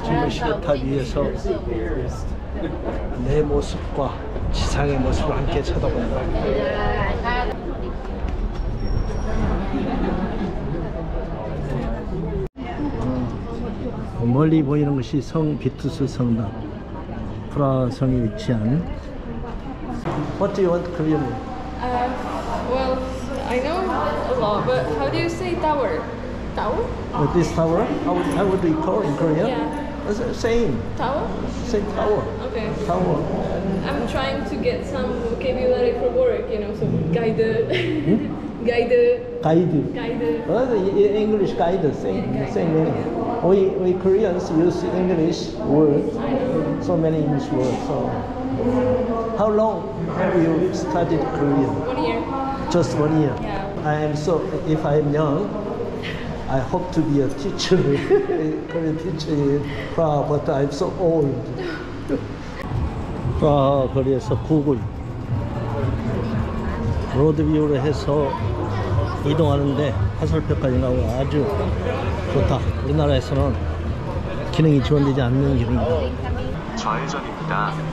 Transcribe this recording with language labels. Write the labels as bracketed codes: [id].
[ko] 시계탑 위에서 내 모습과 지상의 모습을 함께 쳐다본다. 멀리 보이는 것이 성 비투스 성당, 프라성에 위치한. [en] What do you want, Korean? Well, I know a lot, but how do you say tower? Tower? With this tower? How would we call it in Korean? Yeah. Same. Tower? Same tower. Okay. Tower. I'm trying to get some vocabulary for work, you know, some guide. Guide. Guide. Guide. Well, English guide, same, yeah, guide. Same meaning. Yeah. We Koreans use English words, so many English words. So. How long have you studied Korean? 1 year. Just 1 year? Yeah. If I'm young, I hope to be a teacher, a Korean teacher in Prague, but I'm so old. [ko] 프라하 거리에서 구글 로드뷰를 해서 이동하는데 화살표까지 나오고 아주 좋다. 우리나라에서는 기능이 지원되지 않는 길입니다. 좌회전입니다.